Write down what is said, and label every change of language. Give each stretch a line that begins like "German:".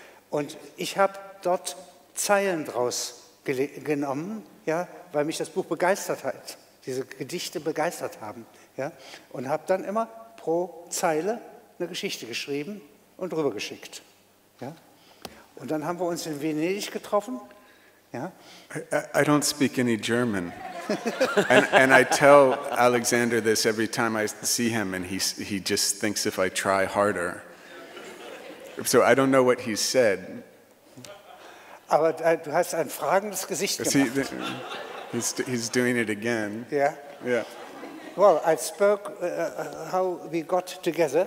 German: Und ich habe dort Zeilen draus genommen, ja, weil mich das Buch begeistert hat, diese Gedichte begeistert haben. Ja? Und habe dann immer pro Zeile eine Geschichte geschrieben und rübergeschickt. Ja? Und dann haben wir uns in Venedig getroffen.
English: Yeah. I don't speak any German, and I tell Alexander this every time I see him, and he just thinks if I try harder. So I don't know what he said.
German: Aber du hast ein fragendes Gesicht gemacht.
English: He's doing it again. Yeah. Yeah. Well, I spoke how we got together.